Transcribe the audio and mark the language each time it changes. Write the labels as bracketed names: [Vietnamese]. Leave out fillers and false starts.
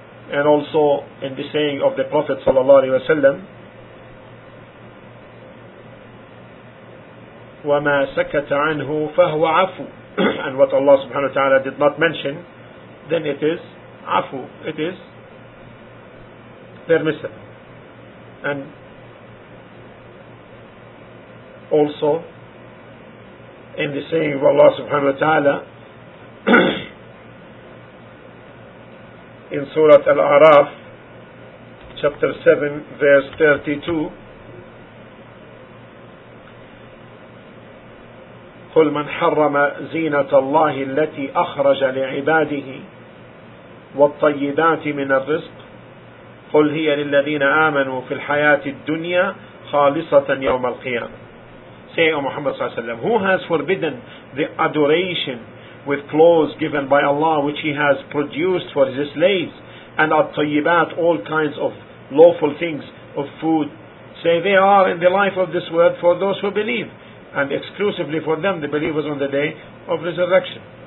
[English] And also in the saying of the Prophet sallallahu alaihi wasallam, [Arabic] وَمَا سَكَتَ عَنْهُ فَهُوَ عَفُو. [English] And what Allah subhanahu wa ta'ala did not mention, then it is عَفُو. It is permissible. And also in the saying of Allah subhanahu wa ta'ala in Surah Al-A'raf chapter 7 verse 32, [Arabic] قل من حرم زينة الله التي أخرج لعباده والطيبات من الرزق قل هي للذين آمنوا في الحياة الدنيا خالصة يوم القيامة. [English] Say, O Muhammad [Arabic] صلى الله عليه وسلم, [English] who has forbidden the adoration with clothes given by Allah which he has produced for his slaves, and الطيبات, all kinds of lawful things of food? Say, they are in the life of this world for those who believe, and exclusively for them, the believers on the day of resurrection.